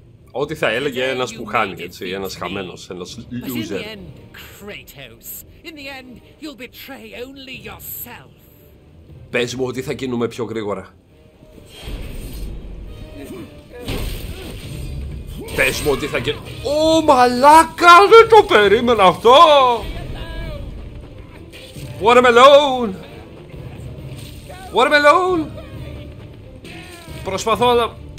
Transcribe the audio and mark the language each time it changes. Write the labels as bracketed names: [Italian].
[Greek] Ό,τι θα έλεγε ένας που χάνει, έτσι, ένας χαμένος, ένας loser. [English] But in the end, Kratos, in the end, you'll betray only yourself. [Greek] Πες μου ότι θα κινούμε πιο γρήγορα. Πες μου ότι θα κινούμε... Ω, μαλάκα, δεν το περίμενα αυτό! [English] What am I alone? [Greek] Προσπαθώ να...